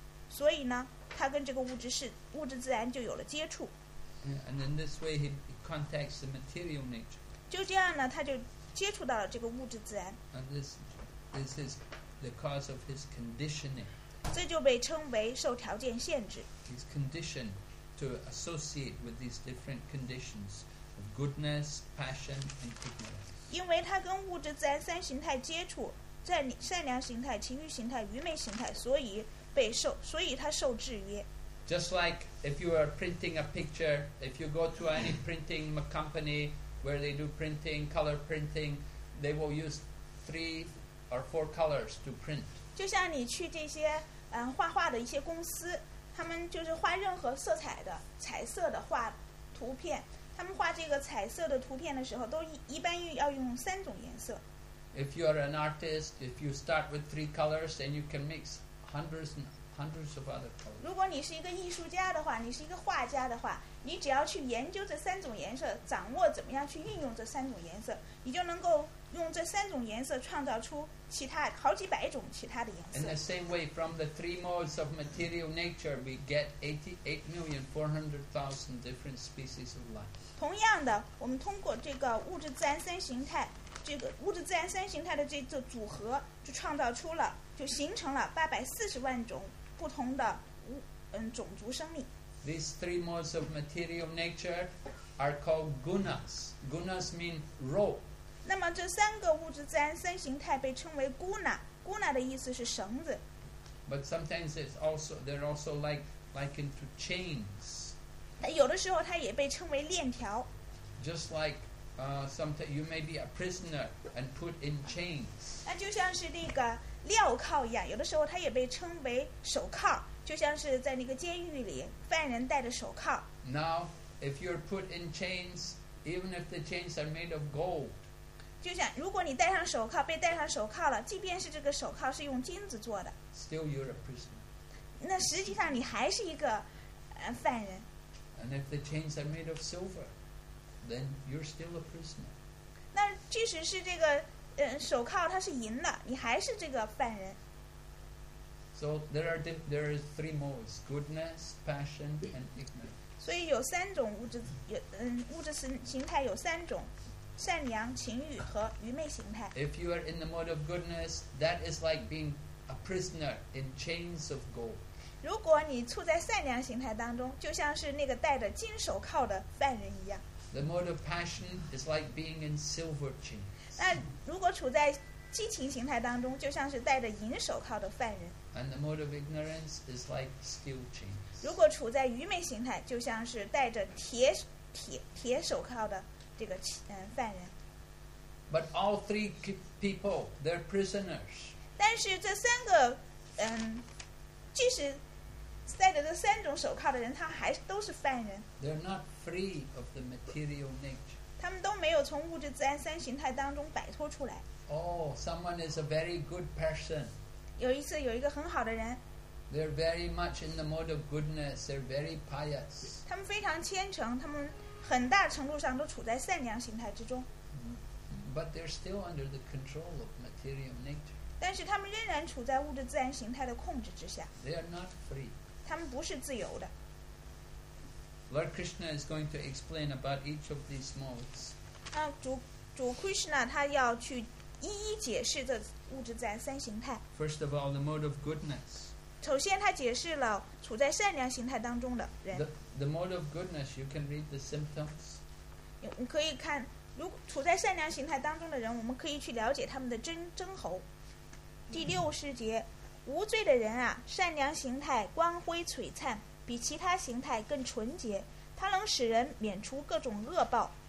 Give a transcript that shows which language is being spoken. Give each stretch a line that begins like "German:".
Chinese: 所以呢,他跟这个物质自然就有了接触。
English: And in this way, he contacts the material nature.
Chinese: 就这样呢, 他就接触到了这个物质自然。
English: And this is the cause of his conditioning.
Chinese: 这就被称为受条件限制。
English: He's conditioned to associate with these different conditions of goodness, passion, and ignorance.
Chinese: 因为他跟物质自然三形态接触, 善良形态, 情欲形态, 愚昧形态, 所以他受制约。
English: Just like if you are printing a picture, if you go to any printing company where they do printing, color printing, they will use three or four colors to print.
Chinese: 就像你去这些, 画画的一些公司, 他们就是画任何色彩的彩色的画图片, 他们画这个彩色的图片的时候, 都一般要用三种颜色。
English: If you are an artist, if you start with three colors, then you can mix hundreds and hundreds of other colors.
Chinese: 如果你是一个艺术家的话，你是一个画家的话，你只要去研究这三种颜色，掌握怎么样去运用这三种颜色，你就能够用这三种颜色创造出其他好几百种其他的颜色。
English: In the same way, from the three modes of material nature, we get 88,400,000 different species of life.
Chinese: 同样的，我们通过这个物质自然三形态，这个物质自然三形态的这个组合，就创造出了。就形成了840万种不同的种族生命。
English: These three modes of material nature are called gunas. Gunas mean rope.
Chinese: 那么这三个物质自然三形态被称为 guna. Guna 的意思是绳子。
English: But sometimes it's also they're also likened to chains.
Chinese: 有的时候它也被称为链条。
English: Just like sometimes you may be a prisoner and put in chains.
Chinese: 那就像是那个。镣铐一样，有的时候它也被称为手铐，就像是在那个监狱里犯人戴的手铐。
English: Now, if you're put in chains, even if the chains are made of gold,
Chinese: 就像如果你戴上手铐，被戴上手铐了，即便是这个手铐是用金子做的
English: ，still you're a prisoner.
Chinese: 那实际上你还是一个犯人。
English: And if the chains are made of silver, then you're still a prisoner.
Chinese: 那即使是这个。手铐它是银的，你还是这个犯人。
English: So there are three modes: goodness, passion, and ignorance.
Chinese: 所以有三种物质，物质形态有三种：善良、情欲和愚昧形态。
English: If you are in the mode of goodness, that is like being a prisoner in chains of gold.
Chinese: 如果你处在善良形态当中，就像是那个戴着金手铐的犯人一样。
English: The mode of passion is like being in silver chains.
Chinese: 那如果处在激情形态当中，就像是戴着银手铐的犯人。
English: And the mode of ignorance is like steel chains.
Chinese: 如果处在愚昧形态，就像是戴着铁手铐的这个犯人。
English: But all three people, they're prisoners.
Chinese: 但是这三个即使戴着这三种手铐的人，他还都是犯人。
English: They're not free of the material nature.
Chinese: 他们都没有从物质自然三形态当中摆脱出来。
English: Oh, someone is a very good person.
Chinese: 有一次有一个很好的人。
English: They're very much in the mode of goodness. They're very pious.
Chinese: 他们非常虔诚，他们很大程度上都处在善良形态之中。
English: But they're still under the control of material nature.
Chinese: 但是他们仍然处在物质自然形态的控制之下。
English: They are not free.
Chinese: 他们不是自由的。
English: Lord Krishna is going to explain about each of these modes.
Chinese: 那主 Krishna 他要去一一解释这物质自然三形态。
English: First of all, the mode of goodness.
Chinese: 首先他解释了处在善良形态当中的人。
English: The mode of goodness, you can read the symptoms.
Chinese: 你可以看，如果处在善良形态当中的人，我们可以去了解他们的征候。第六十节，无罪的人啊，善良形态光辉璀璨。比其他形态更纯洁，它能使人免除各种恶报。